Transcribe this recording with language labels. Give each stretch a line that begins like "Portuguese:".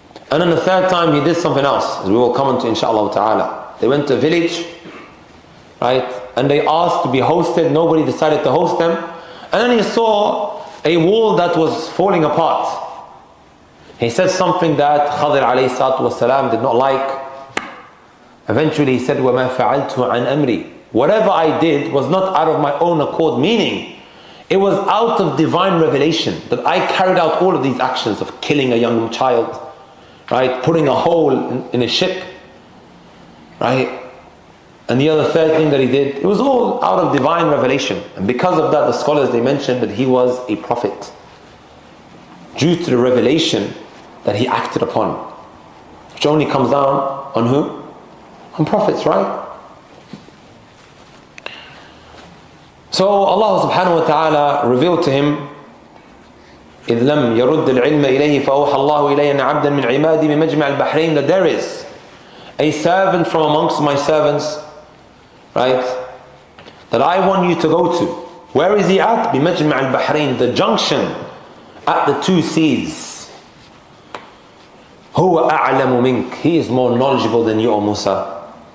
English: And then the third time he did something else, as we will come into inshaAllah ta'ala. They went to a village, right? and they asked to be hosted. Nobody decided to host them. And then he saw a wall that was falling apart. He said something that Khadir alayhi salatu wasalam did not like. Eventually he said,
Arabic: وَمَا فَعَلْتُ عَنْ أَمْرِي.
English: Whatever I did was not out of my own accord, meaning it was out of divine revelation that I carried out all of these actions of killing a young child, right? Putting a hole in a ship, right? And the other third thing that he did, it was all out of divine revelation. And because of that, the scholars, they mentioned that he was a prophet due to the revelation that he acted upon, which only comes down on who? On prophets, right? So Allah subhanahu wa ta'ala revealed to him,
Arabic: إِذْ لَمْ يَرُدِّ الْعِلْمَ إِلَيْهِ فَأَوْحَى اللَّهُ إِلَيَّ أَنْ عَبْدًا مِنْ عِمَادِي بِمَجْمَعِ الْبَحْرَيْنِ.
English: That there is a servant from amongst my servants, right, that I want you to go to. Where is he at?
Arabic: بِمَجْمَعِ الْبَحْرَيْنِ,
English: the junction at the two seas.
Arabic: هُوَ أَعْلَمُ مِنْكَ,
English: he is more knowledgeable than you, O Musa.